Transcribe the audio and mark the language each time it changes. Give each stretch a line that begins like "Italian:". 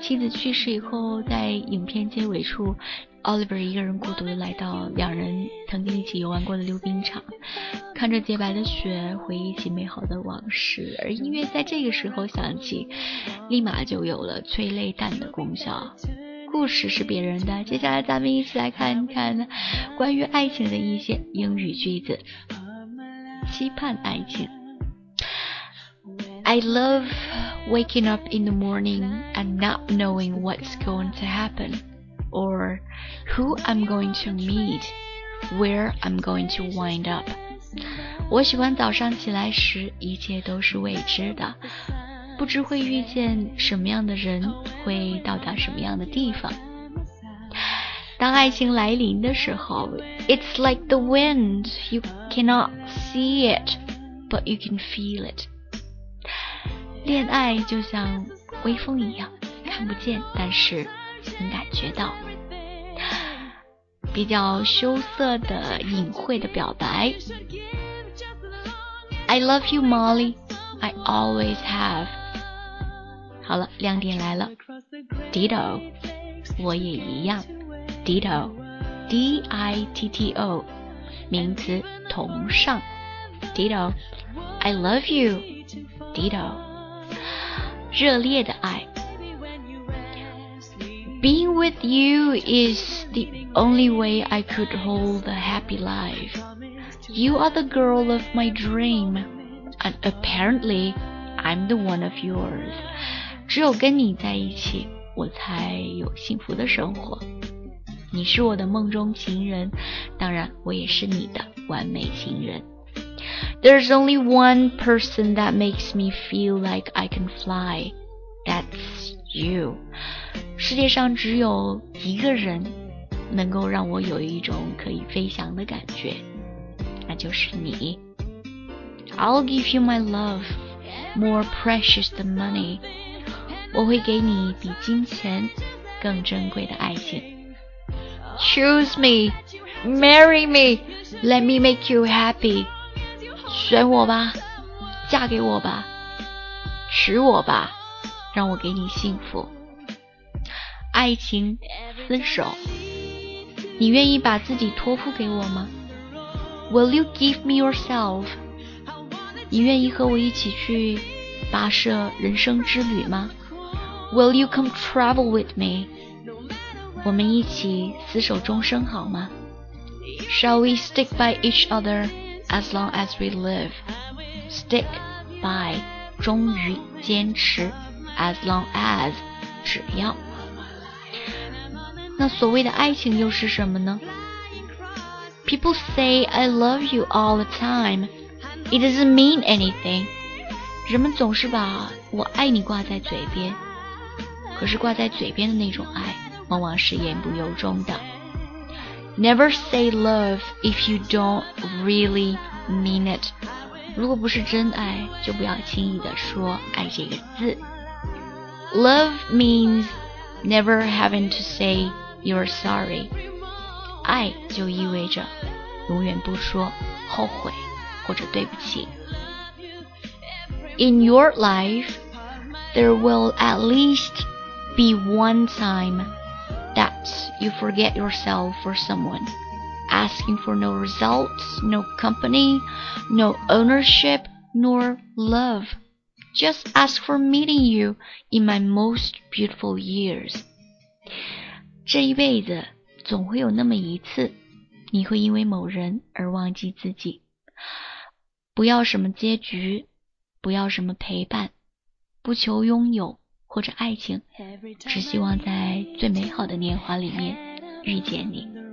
Chinese: 妻子去世以后，在影片结尾处 Oliver 一个人孤独地来到两人曾经一起游玩过的溜冰场，看着洁白的雪，回忆起美好的往事。而音乐在这个时候响起，立马就有了催泪弹的功效。故事是别人的。接下来咱们一起来看看关于爱情的一些英语句子。期盼爱情。
English: I love waking up in the morning and not knowing what's going to happen, or who I'm going to meet, where I'm going to wind up.
Chinese: 我喜欢早上起来时一切都是未知的，不知会遇见什么样的人，会到达什么样的地方。当爱情来临的时候，
English: It's like the wind, you cannot see it, but you can feel it. 恋爱就像微风一样，看不见，但是能感觉到。
Chinese: 比较羞涩的、隐晦的表白。
English: I love you, Molly. I always have.
Chinese: 好了，亮点来了。
English: Ditto.
Chinese: 我也一样。
English: Ditto. D-I-T-T-O.
Chinese: 名词，同上。
English: Ditto. I love you. Ditto.
Chinese: 热烈的爱。
English: Being with you is the only way I could hold a happy life. You are the girl of my dream, and apparently I'm the one of yours.
Chinese: 只有跟你在一起，我才有幸福的生活。你是我的梦中情人，当然我也是你的完美情人。
English: There's only one person that makes me feel like I can fly. That's you.
Chinese: 世界上只有一个人能够让我有一种可以飞翔的感觉，那就是你。
English: I'll give you my love, more precious than money.
Chinese: 我会给你比金钱更珍贵的爱情。
English: Choose me, marry me, let me make you happy.
Chinese: 选我吧，嫁给我吧，娶我吧，让我给你幸福。爱情厮守，你愿意把自己托付给我吗？
English: Will you give me yourself?
Chinese: 你愿意和我一起去跋涉人生之旅吗？
English: Will you come travel with me?
Chinese: 我们一起厮守终生好吗？
English: Shall we stick by each other? As long as we live, stick by,
Chinese: 终于坚持
English: as long as,
Chinese: 只要。那所谓的爱情又是什么呢？
English: People say I love you all the time. It doesn't mean anything.
Chinese: 人们总是把我爱你挂在嘴边，可是挂在嘴边的那种爱，往往是言不由衷的。
English: Never say love if you don't really mean it.
Chinese: 如果不是真爱，就不要轻易地说爱这个字。
English: Love means never having to say you're sorry.
Chinese: 爱就意味着永远不说后悔或者对不起。
English: In your life, there will at least be one time. That you forget yourself for someone, asking for no results, no company, no ownership, nor love. Just ask for meeting you in my most beautiful years.
Chinese: 这一辈子总会有那么一次，你会因为某人而忘记自己。不要什么结局，不要什么陪伴，不求拥有。或者爱情，只希望在最美好的年华里面遇见你。